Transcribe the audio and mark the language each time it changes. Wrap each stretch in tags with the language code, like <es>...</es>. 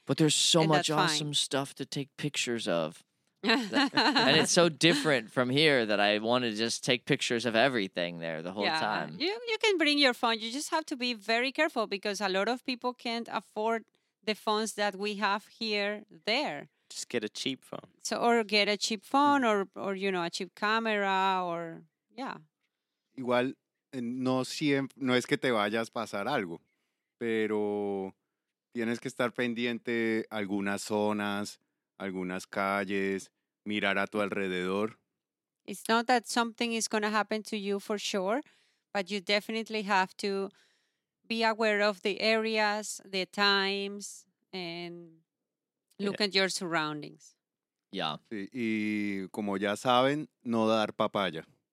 <en>But there's so much awesome stuff to take pictures of. And it's so different from here that I want to just take pictures of everything there the whole time. You can bring your phone. You just have to be very careful because a lot of people can't afford the phones that we have here, there. Just get a cheap phone. So, or get a cheap phone or you know, a cheap camera or, yeah.</en> <es>Igual, no siempre, no es que te vayas a pasar algo, pero tienes que estar pendiente algunas zonas, algunas calles, mirar a tu alrededor.</es> <en>It's not that something is going to happen to you for sure, but you definitely have to be aware of the areas, the times, and look at your surroundings. Yeah.</en> <es>Y como ya saben, no dar papaya.</es>